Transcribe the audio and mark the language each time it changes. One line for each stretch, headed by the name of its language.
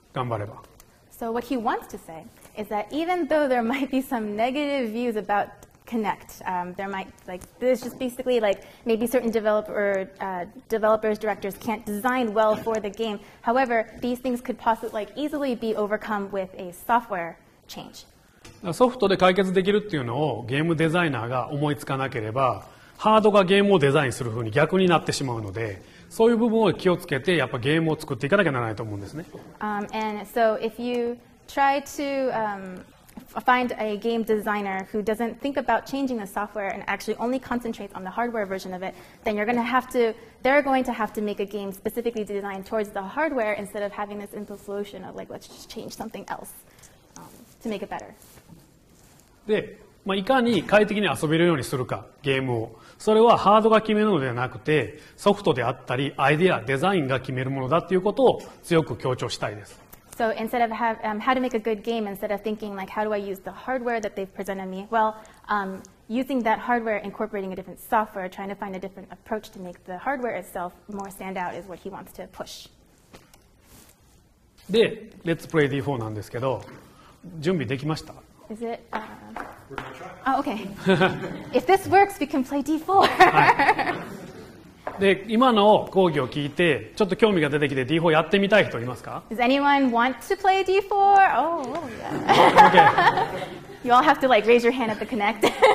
Japanese: 頑張れば。
English: So what he wants to say is that even though there might be some negative views about Kinect, there might like this just basically like maybe certain developers directors can't design well for the game. However, these things could possibly like easily be overcome with a software change.
Japanese: ソフトで解決できるっていうのをゲームデザイナーが思いつかなければ。ハードがゲームをデザインするふうに逆になってしまうので、そういう部分を気をつけて、やっぱゲームを作っていかなきゃならないと思うんですね。
English: And so if you try to find a game designer who doesn't think about changing the software and actually only concentrates on the hardware version of it, then you're going to have to, they're going to have to make a game specifically designed towards the hardware instead of having this simple solution of like, let's just change something else to make it better.
Japanese: で、まあ、いかに快適に遊べるようにするか、ゲームを。それはハードが決めるのではなくて、ソフトであったり、アイデア、デザインが決めるものだということを強く強調したいです。
English: So instead of how to make a good game, instead of thinking like how do I use the hardware that they've presented me, well, using that hardware, incorporating a different software, trying to find a different approach to make the hardware itself more stand out is what he wants to push.
Japanese: で、
English: Let's Play D4
Japanese: なんですけど、準備できました?
English: Is it? Oh, okay. If this works, we can play D4. 、は
Japanese: い、で、今の講義を聞いてちょっと興味が出てきて D4 やってみたい人いますか?
English: Does anyone want to play D4? Oh, oh yeah. Okay. You all have to like raise your hand at the Connect.